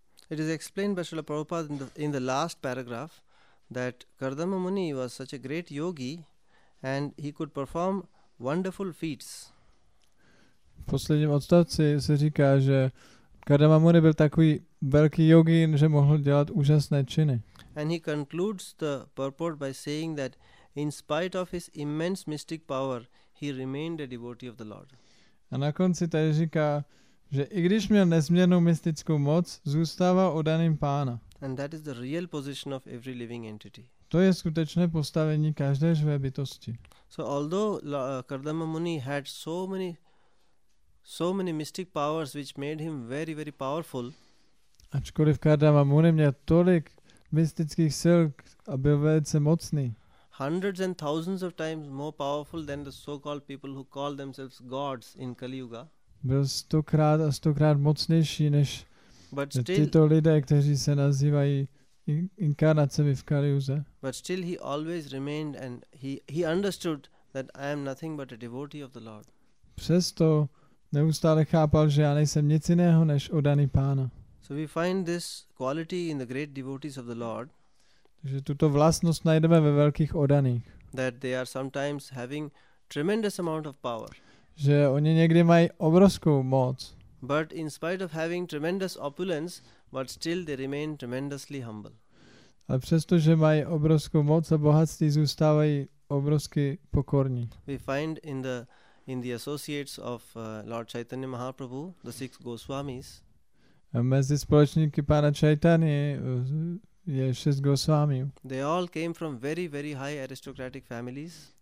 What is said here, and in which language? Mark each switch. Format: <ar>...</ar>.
<en>It is explained by Srila Prabhupada in the last paragraph that Kardama Muni was such a great yogi and he could perform wonderful feats.</en> <cs>V posledním odstavci se říká, že Kardama Muni byl takový velký yogin, že mohl dělat úžasné činy.</cs> <en>And he concludes the purport by saying that in spite of his immense mystic power, he remained a devotee of the Lord.</en> <cs>A na konci tady říká, že i když měl nezměrnou mystickou moc, zůstává oddaným pána.</cs> <en>And that is the real position of every living entity.</en> <cs>To je skutečné postavení každé živé bytosti.</cs> <en>So although Kardama Muni had so many mystic powers which made him very very powerful.</en> <cs>Ačkoliv Kardama Muni měl tolik mystických sil a byl velice mocný.</cs> <en>Hundreds and thousands of times more powerful than the so-called people who call themselves gods in Kali Yuga.</en> <cs>Byl stokrát a stokrát mocnější než tyto lidé, kteří se nazývají inkarnacemi v Kali Yuze.</cs> <en>But still he always remained and he understood that I am nothing but a devotee of the Lord.</en> <cs>Přesto neustále chápal, že já nejsem nic jiného než oddaný pána.</cs> <en>So we find this quality in the great devotees of the Lord.</en> <cs>Takže tuto vlastnost najdeme ve velkých oddaných.</cs> <en>That they are sometimes having tremendous amount of power.</en> <cs>Že oni někdy mají obrovskou moc.</cs> <en>But in spite of having tremendous opulence, but still they remain tremendously humble.</en> <cs>Ale přesto, že mají obrovskou moc a bohatství, zůstávají obrovsky pokorní.</cs> <en>We find in the associates of Lord Chaitanya Mahaprabhu, the 6 Goswamis.</en> <cs>A mezi společníky pána Chaitanya je 6 Goswami.</cs> <en>They all came from very, very high aristocratic families.</en>